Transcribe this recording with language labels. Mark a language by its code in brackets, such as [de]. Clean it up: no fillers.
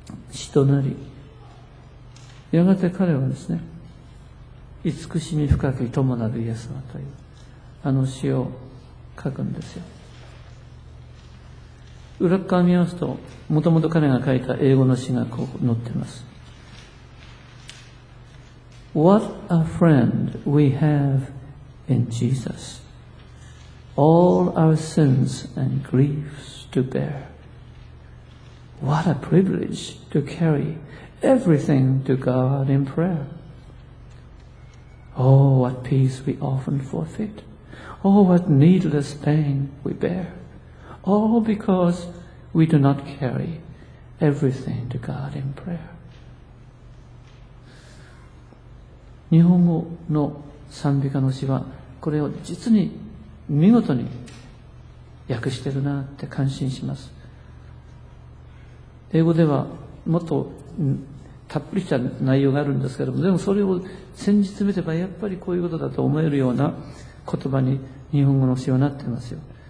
[ja] 死となり、やがて彼はですね、慈しみ深き友なるイエス様というあの詩を書くんですよ。裏側を見ますと、もともと彼が書いた英語の詩がこう載ってます。 [en] What a friend we have in Jesus, all our sins and griefs to bearWhat a privilege to carry everything to God in prayer. Oh, what peace we often forfeit. Oh, what needless pain we bear. All because we do not carry everything to God in prayer. [ja] 日本語の賛美歌の詩は、これを実に見事に訳してるなって感心します。英語ではもっとたっぷりした内容があるんですけれども、でもそれを先日見てばやっぱりこういうことだと思えるような言葉に日本語の詩はなってますよ。